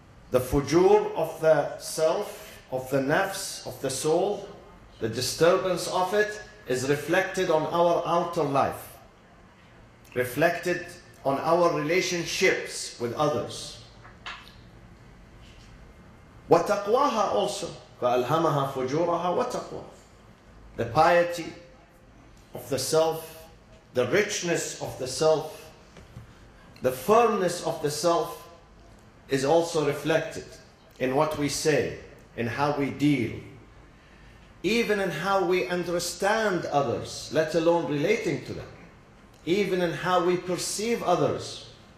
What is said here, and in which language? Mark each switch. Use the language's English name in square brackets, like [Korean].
[English] The fujur of the self, of the nafs, of the soul, the disturbance of it is reflected on our outer life, reflected on our relationships with others. [Arabic] وَتَقْوَاهَا [English] also, [Arabic] فَأَلْهَمَهَا فُجُورَهَا وَتَقْوَاهَا. [English] The piety of the self, the richness of the self, the firmness of the self is also reflected in what we say, in how we deal, even in how we understand others, let alone relating to them, even in how we perceive others.